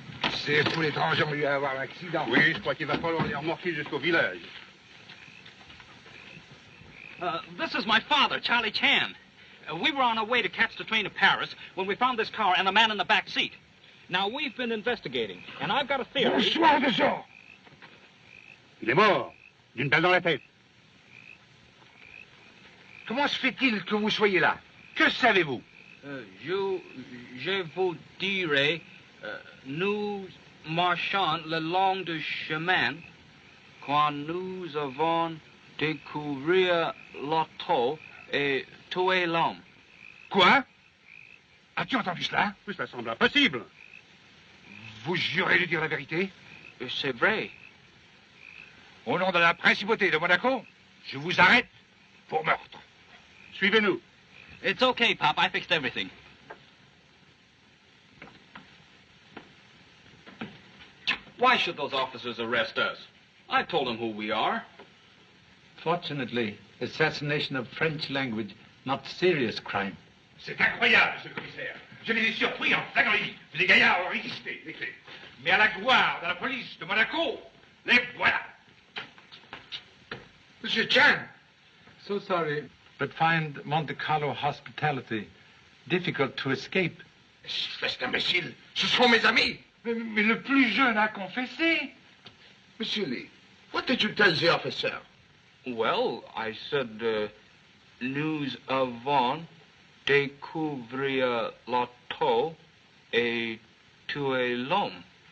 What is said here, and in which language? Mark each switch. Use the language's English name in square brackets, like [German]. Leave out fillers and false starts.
[French] C'est pour les gens qui ont eu un accident. Oui, je crois qu'il va falloir les remorquer jusqu'au village. [English] This is my father, Charlie Chan. We were on our way to catch the train to Paris when we found this car and a man in the back seat. Now, we've been investigating, and I've got a theory. [French] Bonsoir, monsieur! Il est mort, d'une balle dans la tête. Comment se fait-il que vous soyez là? Que savez-vous? Je vous dirai, nous marchons le long du chemin quand nous avons découvert l'auto et tué l'homme. Quoi? As-tu entendu cela? Oui, ça semble impossible. Vous jurez de dire la vérité? C'est vrai. Au nom de la principauté de Monaco, je vous arrête pour meurtre. Suivez-nous. [English] It's okay, Pop. I fixed everything. Why should those officers arrest us? I told them who we are. Fortunately, assassination of French language, not serious crime. [French] C'est incroyable, monsieur le commissaire. Je les ai surpris en flagrant délit. Les gaillards ont résisté, mais à la gloire de la police de Monaco, les voilà. Monsieur Chan. [English] So sorry. But find Monte Carlo hospitality difficult to escape. [French] Espèce d'imbécile, ce sont mes amis. Mais le plus jeune a confessé. [English] Monsieur Lee, what did you tell the officer? Well, I said, [French] nous avons découvert l'auto et tué l'homme.